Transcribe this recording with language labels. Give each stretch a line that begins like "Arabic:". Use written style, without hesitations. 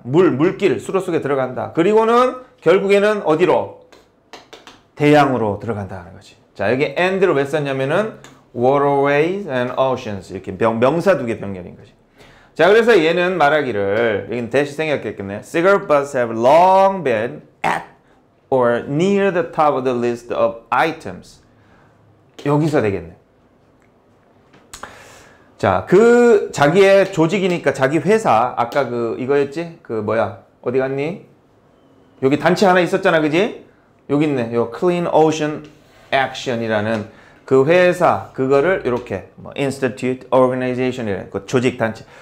Korean: 물길 수로 속에 들어간다. 그리고는 결국에는 어디로? 대양으로 들어간다 하는 거지. 자, 여기 and를 왜 썼냐면은
English: waterways and oceans
Korean: 이렇게 명사 두 개 변경인 거지. 자, 그래서 얘는 말하기를, 여긴 대시 생각했겠네.
English: Cigarette butts have long been at or near the top of the list of items.
Korean: 여기서 되겠네. 자, 그 자기의 조직이니까 자기 회사, 아까 그 이거였지? 그 뭐야? 어디 갔니? 여기 단체 하나 있었잖아, 그지? 여기 있네. 요 Clean Ocean Action이라는 그 회사, 그거를 이렇게 뭐 Institute Organization이라는 그 조직 단체.